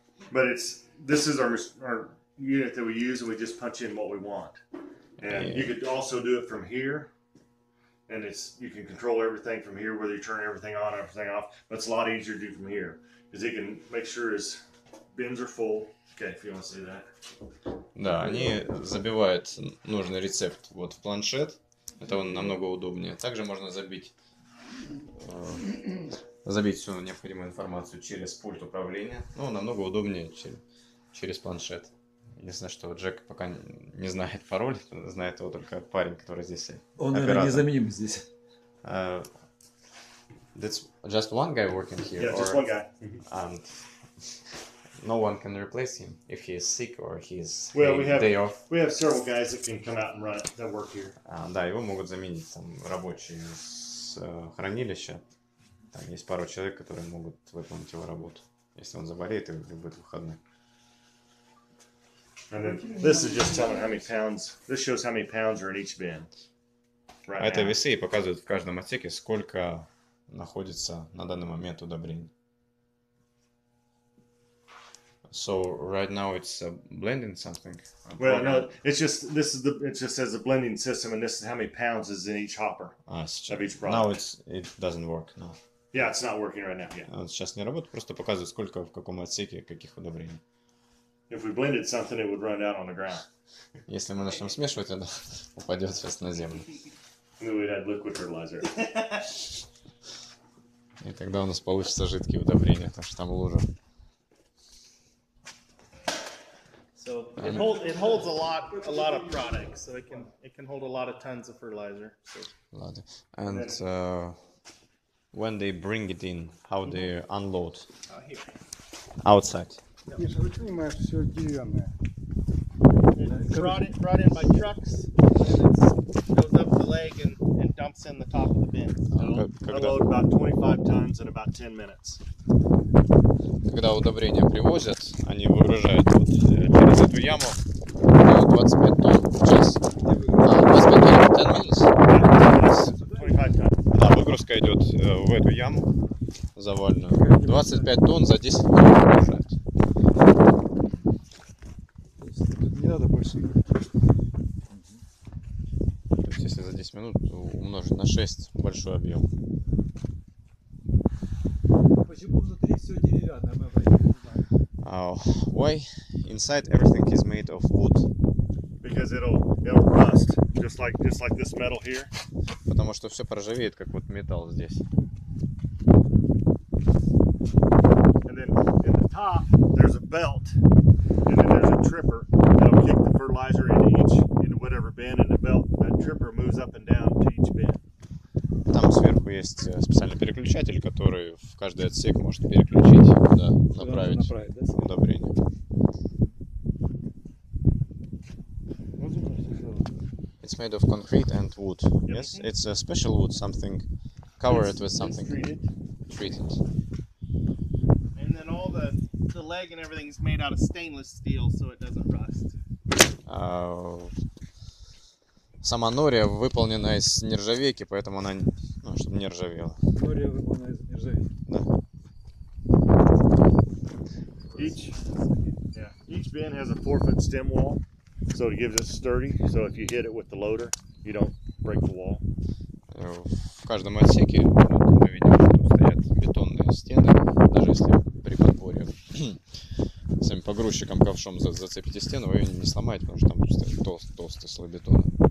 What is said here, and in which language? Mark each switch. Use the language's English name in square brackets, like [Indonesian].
[English] But this is our unit that we use, and we just punch in what we want. And you could also do it from here, and you can control everything from here, whether you turn everything on or everything off. But it's a lot easier to do from here, because he can make sure his bins are full. Okay, if you want to see that. [Russian] Да, они забивают нужный рецепт вот в планшет. Это он намного удобнее. Также можно забить всю необходимую информацию через пульт управления. Но намного удобнее через планшет. Единственное, что Джек пока не знает пароль, знает его только парень, который здесь. Он, наверное, незаменим здесь. [English] That's just one guy working here. Yeah, just one guy. And no one can replace him if he is sick or he is day off. We have several guys that can come out and run it that work here. [Russian] Да, его могут заменить там рабочие с хранилища. Там есть пару человек, которые могут выполнить его работу, если он заболеет или будет выходной. [English] And then this is just telling how many pounds. This shows how many pounds are in each bin. Right. [Russian] Это весы и показывает в каждом отсеке, сколько находится на данный момент удобрений. [English] So right now it's blending something. Well, no, it just says the blending system, and this is how many pounds is in each hopper of each product. Now it doesn't work. No. Yeah, it's not working right now. Yeah. [Russian] Сейчас не работает, просто показывает, сколько в каком отсеке каких удобрений. [English] If we blended something, it would run out on the ground. [Russian] Если мы начнем смешивать, оно упадет сейчас на землю. [English] Then we'd add liquid fertilizer. [Russian] И тогда у нас получится жидкие удобрения, потому что там лужа. [English] So it holds a lot of product, so it can hold a lot of tons of fertilizer. [Russian] Ладно. [English] And when they bring it in, how they unload? Here. Outside. [Russian] Миша, вы понимаешь, все деревянное. [English] Brought in by trucks, and it goes up the leg and dumps in the top of the bin. Unload about 25 tons in about 10 minutes. [Russian] Когда удобрения привозят, они выгружают вот через эту яму 25 тонн в час. 25 тонн, 10 minutes. 25 тонн. Да, выгрузка идет в эту яму завальную. 25 тонн за 10 минут выгружают. Надо больше. То есть если за 10 10 минут умножить на 6 большой объем. Почему внутри все деревянное? Мы про это не знаем. [English] Why? Inside everything is made of wood. Because it'll rust, just like this metal here. [Russian] Потому что все проржавеет, как вот металл здесь. [English] And then in the top there's a belt, and then there's a tripper that'll kick the fertilizer into whatever bin, and the belt that tripper moves up and down to each bin. [Russian] Там сверху есть специальный переключатель, который в каждый отсек может переключить, куда направить удобрение. [English] It's made of concrete and wood. Yep. Yes, it's a special wood, something covered with something. It's treated. And then all the leg and everything is made out of stainless steel, so it doesn't rust. [Russian] Сама нория выполнена из нержавейки, поэтому она, ну, чтобы не ржавела. Нория выполнена из нержавейки. Да. [English] Each bin has a 4-foot stem wall. So it gives it sturdy, so if you hit it with the loader, you don't break the wall. [Russian] В каждом отсеке мы видим, что стоят бетонные стены, даже если при подборе самим погрузчиком ковшом зацепите стену, вы ее не сломаете, потому что там стоит толстый слой бетона.